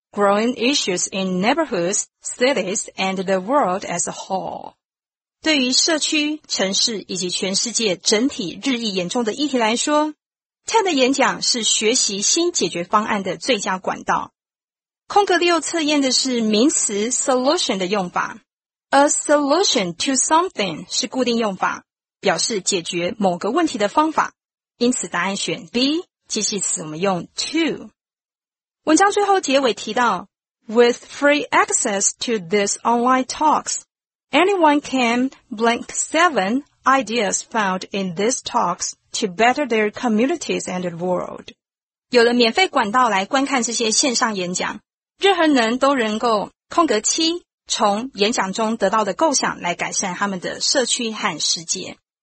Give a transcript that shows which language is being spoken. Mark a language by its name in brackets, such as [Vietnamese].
[English] Growing issues in neighborhoods, cities, and the world as a whole. [Chinese] 对于社区、城市以及全世界整体日益严重的议题来说， TED 的演讲是学习新解决方案的最佳管道。空格六测验的是名词 solution 的用法。 A solution to something 是固定用法，表示解决某个问题的方法。因此答案选 B, 介系词我们用 to。 [English] 文章最后结尾提到 With free access to this online talks, anyone can blank seven ideas found in these talks to better their communities and the world. [Chinese] 有了免费管道来观看这些线上演讲，任何人都能够空格七从演讲中得到的构想来改善他们的社区和世界。